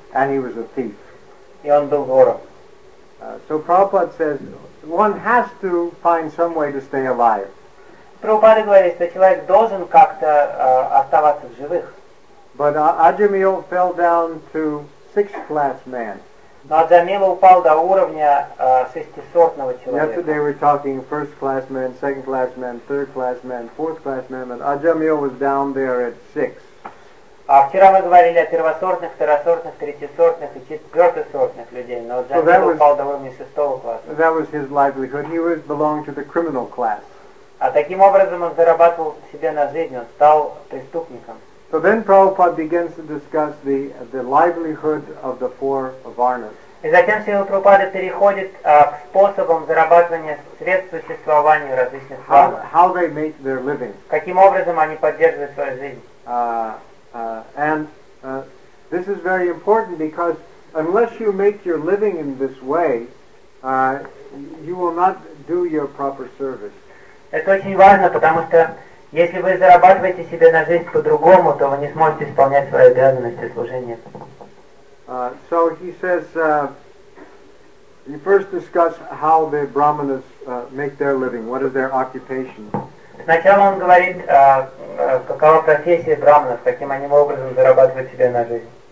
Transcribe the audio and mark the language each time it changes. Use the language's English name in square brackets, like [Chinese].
[English] And he was a thief. [Russian] И он был вором. [English] So Prabhupada says, one has to find some way to stay alive. [Russian] Прабхупада говорит, что человек должен как-то оставаться в живых. [English] But Ajamil fell down to sixth class man. [Russian] Но Ajamil упал до уровня шестисортного человека. [English] Yesterday we were talking first class man, second class man, third class man, fourth class man, but Ajamil was down there at six. [Russian] А вчера мы говорили о первосортных, второсортных, третьесортных и четвертосортных людей, но Ajamil упал до уровня шестого класса. [English] That was his livelihood. He was belonged to the criminal class. [Russian] А таким образом он зарабатывал себе на жизнь, он стал преступником. [English] So then Prabhupada begins to discuss the livelihood of the four varnas. [Russian] И затем Шрила Прабхупада переходит к способам зарабатывания средств существования различных варн. [English] How they make their living. [Russian] Каким образом они поддерживают свою жизнь. [English] This is very important because unless you make your living in this way, you will not do your proper service. [Russian] Это очень важно, потому что если вы зарабатываете себе на жизнь по-другому, то вы не сможете исполнять свои обязанности служения. [English] So he says, you first discuss how the brahmanas make their living. What is their occupation? [Russian] Сначала он говорит, какова профессия брахманов, каким они образом зарабатывают себе на жизнь.